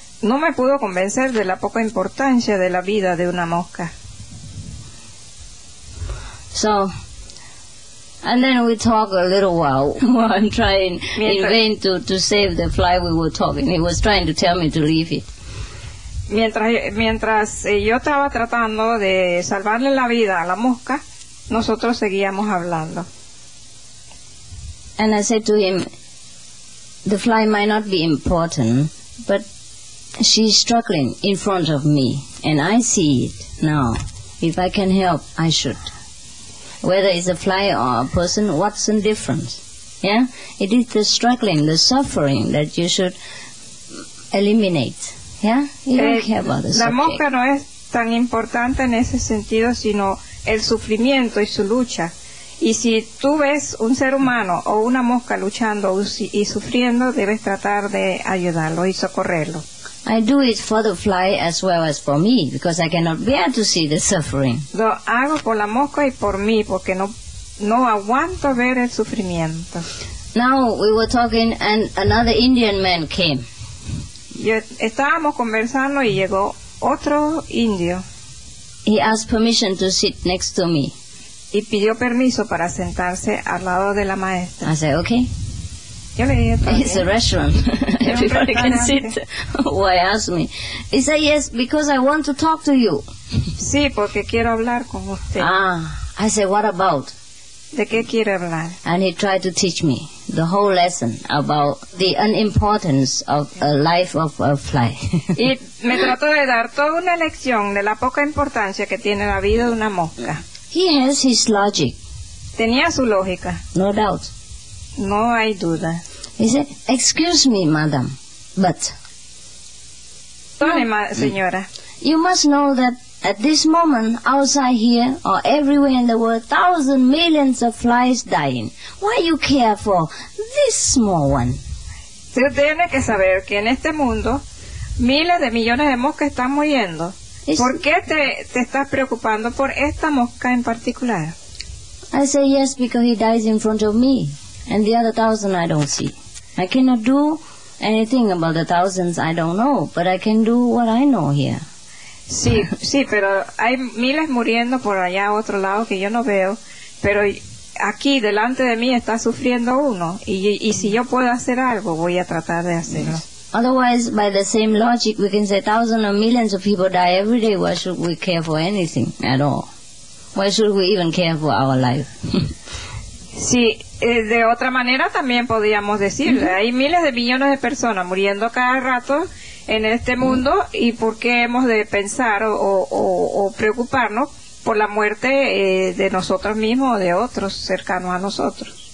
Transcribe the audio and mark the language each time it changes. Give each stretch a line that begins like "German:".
Spanish: No me pudo convencer de la poca importancia de la vida de una mosca.
English: So. And then we talk a little while I'm trying in vain to save the fly we were talking. He was trying to tell me to leave it.
Spanish: Mientras yo estaba tratando de salvarle la vida a la mosca, nosotros seguíamos hablando.
English: And I said to him, "The fly might not be important, but she's struggling in front of me, and I see it now. If I can help, I should. Whether it's a fly or a person, what's the difference? Yeah? It is the struggling, the suffering that you should eliminate. Yeah? You don't care about the subject."
Spanish: La mosca no es tan importante en ese sentido, sino el sufrimiento y su lucha. Y si tú ves un ser humano o una mosca luchando y sufriendo, debes tratar de ayudarlo y socorrerlo.
English: I do it for the fly as well as for me, because I cannot bear to see the suffering.
Spanish: Lo hago por la mosca y por mí, porque no aguanto ver el sufrimiento.
English: Now we were talking and another Indian man came.
Spanish: Estábamos conversando y llegó otro indio.
English: He asked permission to sit next to me.
Spanish: y pidió permiso para sentarse al lado de la maestra.
English: I said, okay.
Spanish: Yo le dije,
English: it's a restroom. Everybody can sit. Why ask me? He said, yes, because I want to talk to you.
Spanish: Sí, porque quiero hablar con usted.
English: Ah, I said, what about?
Spanish: ¿De qué quiere hablar?
English: And he tried to teach me the whole lesson about the unimportance of a life of a fly.
Spanish: Y me trató de dar toda una lección de la poca importancia que tiene la vida de una mosca.
English: He has his logic.
Spanish: Tenía su lógica.
English: No doubt.
Spanish: No hay duda.
English: He said, excuse me, madam, but... Sorry, señora. You must know that at this moment, outside here, or everywhere in the world, thousands, millions of flies dying. Why you care for this small one?
Spanish: Se tiene que saber que en este mundo, miles de millones de moscas están muriendo. ¿Por qué te estás preocupando por esta mosca en particular?
English: I say yes, because he dies in front of me, and the other thousand I don't see. I cannot do anything about the thousands I don't know, but I can do what I know here.
Spanish: Sí, sí, pero hay miles muriendo por allá a otro lado que yo no veo, pero aquí delante de mí está sufriendo uno, y si yo puedo hacer algo, voy a tratar de hacerlo.
English: Otherwise, by the same logic, we can say thousands or millions of people die every day. Why should we care for anything at all? Why should we even care for our life?
Spanish: Sí, de otra manera también podríamos decir, hay miles de millones de personas muriendo cada rato en este mundo, y por qué hemos de pensar o preocuparnos por la muerte de nosotros mismos o de otros cercanos a nosotros.